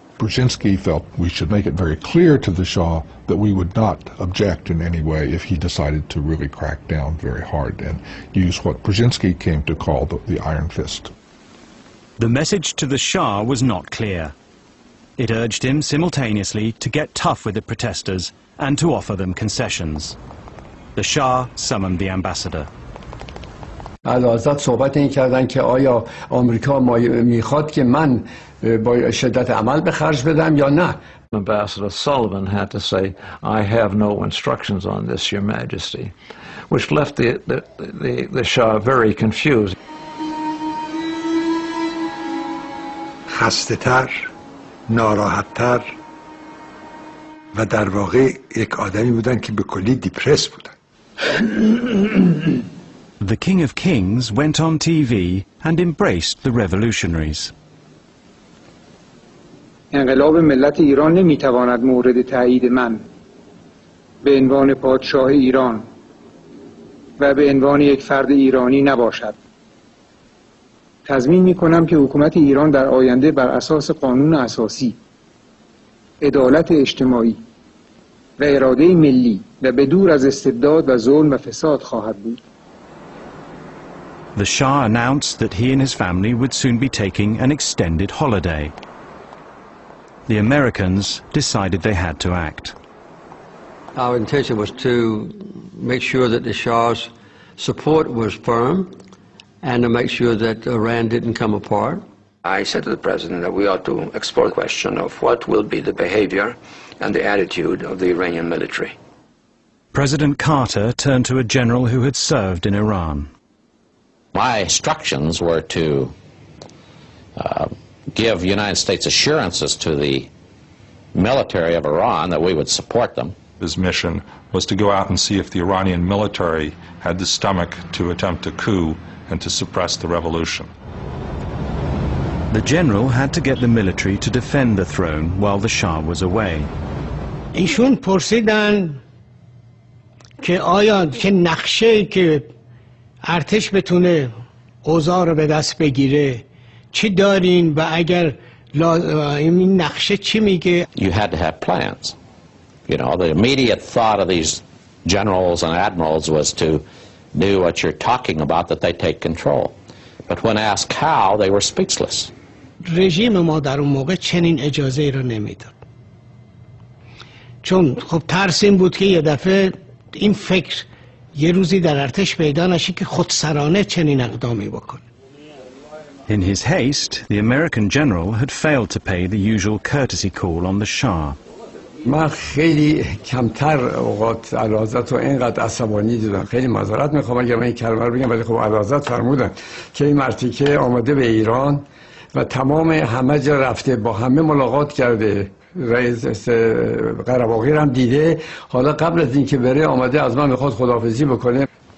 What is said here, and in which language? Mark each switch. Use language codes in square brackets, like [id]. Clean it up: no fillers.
[en] Brzezinski felt we should make it very clear to the Shah that we would not object in any way if he decided to really crack down very hard and use what Brzezinski came to call the iron fist. The message to the Shah was not clear. It urged him simultaneously to get tough with the protesters and to offer them concessions. The Shah summoned the ambassador. [fa] علازت صحبت این کردن که آیا آمریکا میخواد که من با شدت عمل به خرج بدم یا نه. [en] Ambassador Sullivan had to say, I have no instructions on this, Your Majesty, which left the Shah very confused. [fa] خسته تر، ناراحت تر و در واقع یک آدمی بودن که به کلی دیپرس بودن. [en] The King of Kings went on TV and embraced the revolutionaries. [fa] انقلاب ملت ایران نمیتواند مورد تایید من به عنوان پادشاه ایران و به عنوان یک فرد ایرانی نباشد. تضمین میکنم که حکومت ایران در آینده بر اساس قانون اساسی، عدالت اجتماعی و اراده ملی و به دور از استبداد و ظلم و فساد خواهد بود. [en] The Shah announced that he and his family would soon be taking an extended holiday. The Americans decided they had to act. Our intention was to make sure that the Shah's support was firm and to make sure that Iran didn't come apart. I said to the president that we ought to explore the question of what will be the behavior and the attitude of the Iranian military. President Carter turned to a general who had served in Iran. My instructions were to give United States assurances to the military of Iran that we would support them. His mission was to go out and see if the Iranian military had the stomach to attempt a coup and to suppress the revolution. The general had to get the military to defend the throne while the Shah was away. [fa] ایشون پرسیدن که آیا که نقشه که ارتش بتونه اوضاع رو به دست بگیره چی دارین و اگر این نقشه چی میگه. [en] You had to have plans. You know, the immediate thought of these generals and admirals was to do what you're talking about, that they take control. But when asked how, they were speechless. [fa] رژیم ما در اون موقع چنین اجازه ای را نمیداد. چون خب ترس این بود که یه دفعه این فکر یه روزی در ارتش پیدا نشه که خودسرانه چنین اقدامی بکنه. [en] In his haste, the American general had failed to pay the usual courtesy call on the Shah. [fa] من خیلی کمتر اوقات علازت و اینقدر عصبانی دیدم. خیلی معذرت میخوام اگر من این کلمه رو بگم ولی خب علازت فرمودن که این مردی که آمده به ایران و تمام همه جا رفته با همه ملاقات کرده رئیس قرباقی رو هم دیده حالا قبل از اینکه بره آمده از من میخواد خداحافظی بکنه.